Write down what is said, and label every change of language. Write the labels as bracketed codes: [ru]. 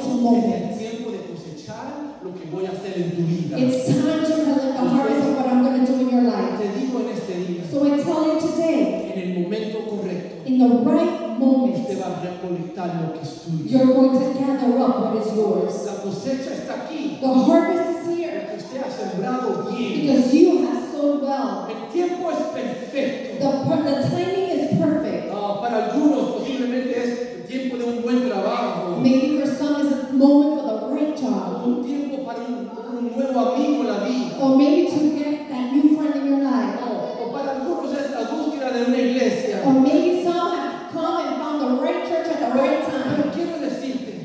[es] Es el tiempo de cosechar lo que voy a hacer en tu vida. [en] It's time to collect the harvest of what I'm going to do in your life. [es] Te digo en este día. [en] right moment, [es] usted va a recolectar lo que es tuyo. [en] You're going to gather up what is yours. [es] La cosecha está aquí. [en] The harvest is here. [es] Porque usted ha sembrado bien. [en] Because you have sown well. [es] El tiempo es perfecto. [en] The timing is perfect. [es] Para algunos posiblemente es el tiempo de un buen trabajo. [en] Maybe for some is a moment for the right job. [es] Un tiempo para un nuevo amigo en la vida. [en] Or maybe to get that new friend in your life. Or maybe some have come and found the right church at the right time.